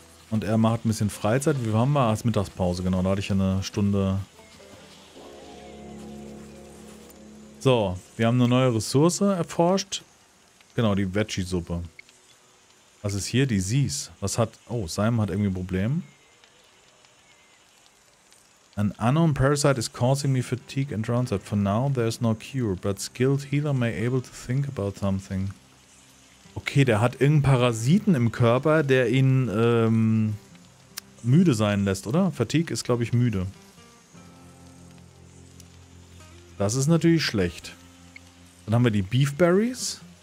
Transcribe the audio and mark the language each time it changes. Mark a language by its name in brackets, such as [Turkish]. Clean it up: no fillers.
[German] Und er macht ein bisschen Freizeit. Wie haben wir als Mittagspause? Genau, da hatte ich eine Stunde. So, wir haben eine neue Ressource erforscht. Genau, die Veggie Suppe. Was ist hier? Die Seas. Was hat... Oh, Simon hat irgendwie ein Problem. [English] An unknown parasite is causing me fatigue and drowns out. For now there is no cure, but skilled healer may able to think about something. [German] Okay, der hat irgendeinen Parasiten im Körper, der ihn müde sein lässt, oder? Fatigue ist, glaube ich, müde. Das ist natürlich schlecht. Dann haben wir die Beefberries.